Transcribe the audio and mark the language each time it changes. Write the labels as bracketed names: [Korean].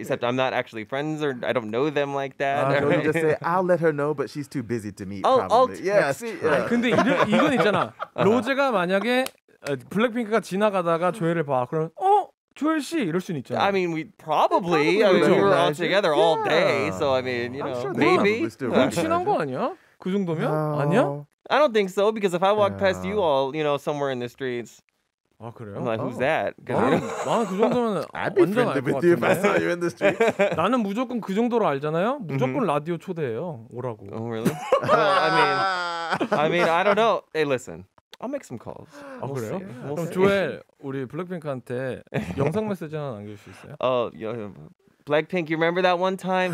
[English] Except I'm not actually friends or I don't know them like that. You just say I'll let her know, but she's too busy to meet. Probably. Yeah. [Korean] 근데 이건 있잖아. 로제가 만약에 블랙핑크가 지나가다가 조엘을 봐. 그럼 조엘 씨 이럴 수는 있잖아. [English] I mean we probably we were all together all day. So I mean, you know, maybe. [Korean] 그럼 친한 거 아니야? 그 정도면? 아니야? [English] I don't think so because if I walk past you all, you know, somewhere in the streets. [Korean] 아 그래요? [English] I'm like, who's that? [Korean] 나는 그 정도면 [English] I'd be friendly with you if I saw you in the street. [Korean] 나는 무조건 그 정도로 알잖아요. 무조건 라디오 초대해요. 오라고. [English] Oh really? I mean, I don't know. Hey, listen. I'll make some calls. [Korean] 아 그래요? 그럼 조엘 우리 블랙핑크한테 영상 메시지 하나 남길 수 있어요? [English] 블랙핑크, you remember that one time?